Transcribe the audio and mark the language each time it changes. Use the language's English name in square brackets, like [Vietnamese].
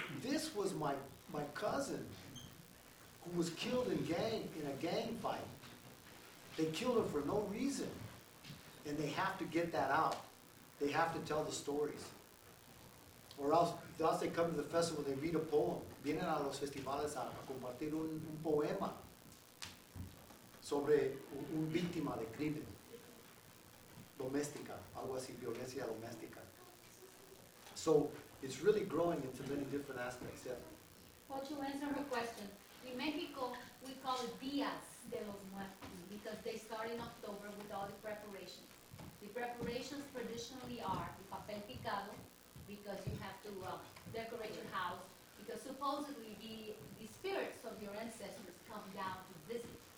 [English] This was my cousin who was killed in a gang fight. They killed him for no reason. And they have to get that out. They have to tell the stories. Or else they come to the festival, they read a poem. [Spanish] Vienen a los festivales a compartir un poema sobre un víctima de crimen doméstica, algo así, violencia doméstica. [English] So it's really growing into many different aspects. Yeah. Well, to answer her question, in Mexico, we call it Días de los Muertos because they start in October with all the preparations. The preparations traditionally are the papel picado, because you have to decorate your house, because supposedly the spirits of your ancestors come down to visit.